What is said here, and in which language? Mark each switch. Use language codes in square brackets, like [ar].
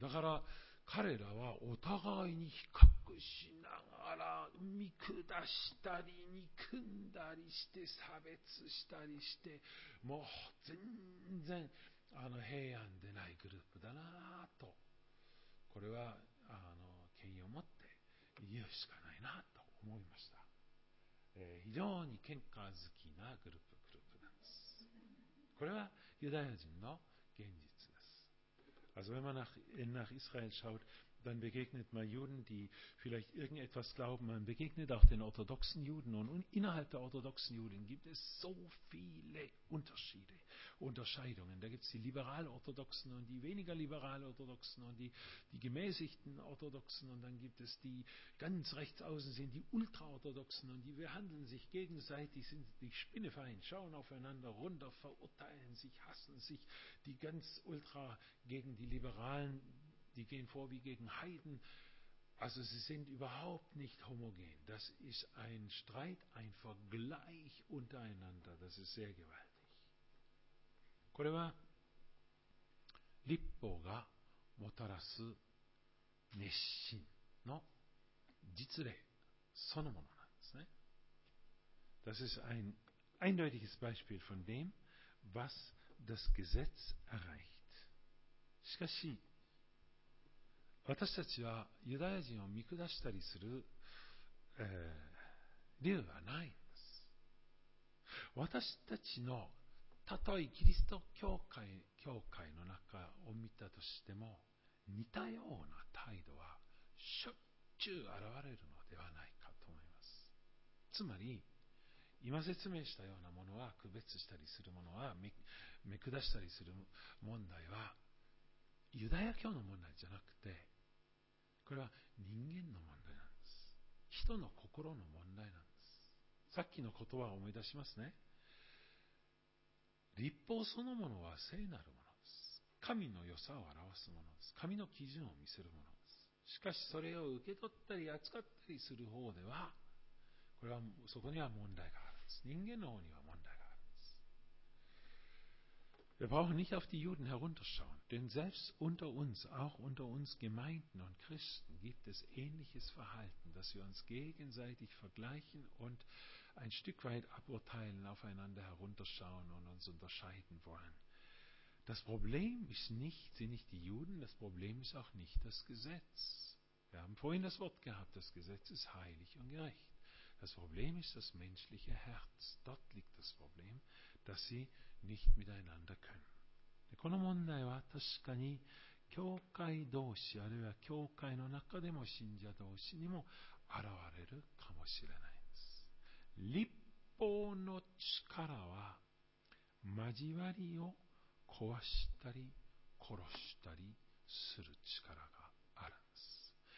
[ja] だから彼らはお互いに比較しながら見下したり憎んだりして差別したりして、もう全然あの平安でないグループだなと、これは権威を持って言うしかないなと思いました。非常に喧嘩好きなグループなんです。これはユダヤ人の現実です。 [de] Also wenn man nach Israel schaut, dann begegnet man Juden, die vielleicht irgendetwas glauben. Man begegnet auch den orthodoxen Juden. Und innerhalb der orthodoxen Juden gibt es so viele Unterschiede, Unterscheidungen. Da gibt es die liberal-orthodoxen und die weniger liberal-orthodoxen und die gemäßigten Orthodoxen. Und dann gibt es die ganz rechts außen sind die ultra-orthodoxen und die behandeln sich gegenseitig, sind die Spinnefeind, schauen aufeinander runter, verurteilen sich, hassen sich, die ganz ultra gegen die Liberalen. Die gehen vor wie gegen Heiden. Also sie sind überhaupt nicht homogen. Das ist ein Streit, ein Vergleich untereinander. Das ist sehr gewaltig. [ja] これは律法がもたらす熱心の実例そのものなんですね。 [de] Das ist ein eindeutiges Beispiel von dem, was das Gesetz erreicht. [ja] しかし私たちはユダヤ人を見下したりする、理由はないんです。私たちの、たとえキリスト教会の中を見たとしても、似たような態度はしょっちゅう現れるのではないかと思います。つまり、今説明したようなものは、区別したりするものは、見下したりする問題は、ユダヤ教の問題じゃなくて、これは人間の問題なんです。人の心の問題なんです。さっきの言葉を思い出しますね。律法そのものは聖なるものです。神の良さを表すものです。神の基準を見せるものです。しかしそれを受け取ったり扱ったりする方では、これはそこには問題があるんです。人間の方には問題があるんです。 [de] Wir brauchen nicht auf die Juden herunterschauen, denn selbst unter uns, auch unter uns Gemeinden und Christen, gibt es ähnliches Verhalten, dass wir uns gegenseitig vergleichen und ein Stück weit aburteilen, aufeinander herunterschauen und uns unterscheiden wollen. Das Problem ist nicht, sind nicht die Juden, das Problem ist auch nicht das Gesetz. Wir haben vorhin das Wort gehabt, das Gesetz ist heilig und gerecht. Das Problem ist das menschliche Herz. Dort liegt das Problem, dass sie nicht miteinander können. [ja] で、この問題は確かに教会同士あるいは教会の中でも信者同士にも現れるかもしれないです。律法の力は交わりを壊したり殺したりする力があるんです。